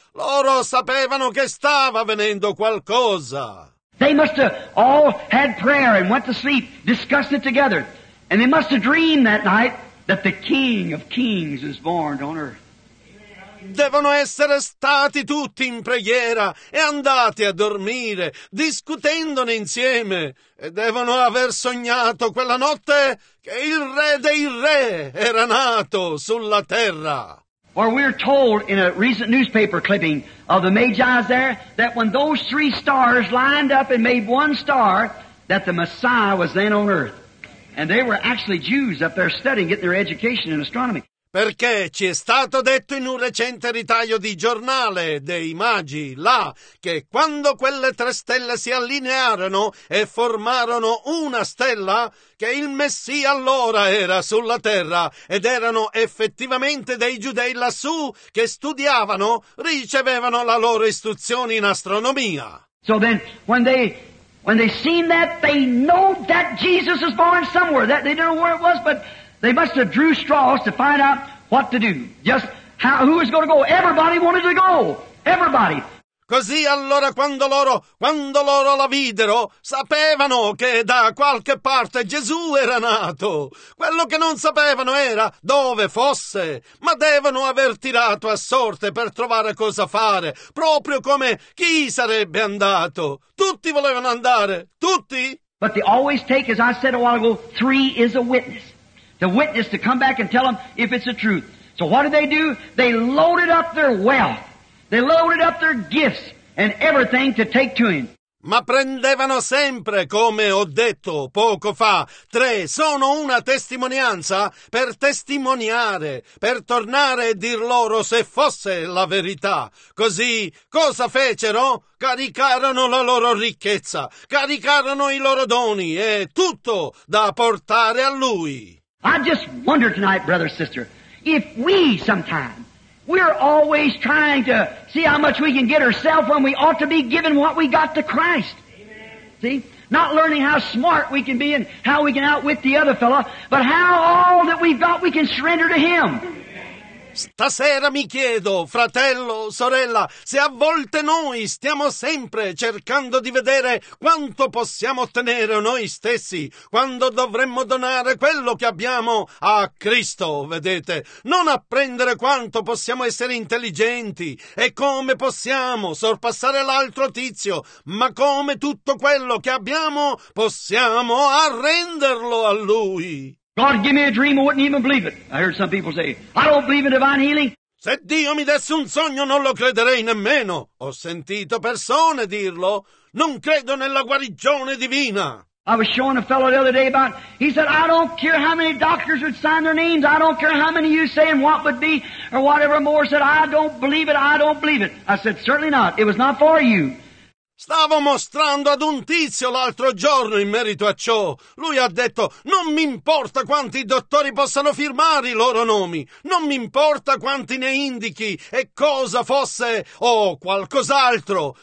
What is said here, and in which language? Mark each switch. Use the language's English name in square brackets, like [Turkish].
[Italian] Loro sapevano che stava venendo qualcosa. [English] They must have all had prayer and went to sleep, discussed it together. And they must have dreamed that night that the King of Kings is born on earth. [Italian] Devono essere stati tutti in preghiera e andati a dormire, discutendone insieme, e devono aver sognato quella notte che il re dei re era nato sulla terra. [English] Or we're told in a recent newspaper clipping of the Magi's there that when those three stars lined up and made one star, that the Messiah was then on earth. And they were actually Jews up there studying, getting their education in astronomy. [Italian] Perché ci è stato detto in un recente ritaglio di giornale dei Magi là che quando quelle tre stelle si allinearono e formarono una stella, che il Messia allora era sulla terra ed erano effettivamente dei giudei lassù che studiavano, ricevevano la loro istruzione in astronomia. [English] So then when they seen that, they know that Jesus is born somewhere, that they don't know where it was, but they must have drew straws to find out what to do. Just how, who was going to go? Everybody wanted to go. Everybody. [Italian] Così allora quando loro la videro, sapevano che da qualche parte Gesù era nato. Quello che non sapevano era dove fosse, ma devono aver tirato a sorte per trovare cosa fare, proprio come chi sarebbe andato. Tutti volevano andare, tutti. [English] But they always take, as I said a while ago, three is a witness. The witness to come back and tell them if it's the truth. So what do? They loaded up their wealth. They loaded up their gifts and everything to take to him. [Italian] Ma prendevano sempre, come ho detto poco fa, tre sono una testimonianza per testimoniare, per tornare e dir loro se fosse la verità. Così, cosa fecero? Caricarono la loro ricchezza, caricarono i loro doni e tutto da portare a lui. [English] I just wonder tonight, brother, sister, if we sometime, we're always trying to see how much we can get ourselves when we ought to be given what we got to Christ. Amen. See? Not learning how smart we can be and how we can outwit the other fellow, but how all that we've got we can surrender to him. [Italian] Stasera mi chiedo, fratello, sorella, se a volte noi stiamo sempre cercando di vedere quanto possiamo ottenere noi stessi, quando dovremmo donare quello che abbiamo a Cristo, vedete, non apprendere quanto possiamo essere intelligenti e come possiamo sorpassare l'altro tizio, ma come tutto quello che abbiamo possiamo arrenderlo a Lui. [English] God give me a dream, I wouldn't even believe it. I heard some people say, I don't believe in divine healing. [Italian] Se Dio mi desse un sogno, non lo crederei nemmeno. Ho sentito persone dirlo. Non credo nella guarigione divina. [English] I was showing a fellow the other day about, he said, I don't care how many doctors would sign their names. I don't care how many you say and what would be or whatever more. Said, I don't believe it, I don't believe it. I said, certainly not. It was not for you. [Italian] Stavo mostrando ad un tizio l'altro giorno in merito a ciò. Lui ha detto, non mi importa quanti dottori possano firmare i loro nomi, non mi importa quanti ne indichi e cosa fosse o qualcos'altro.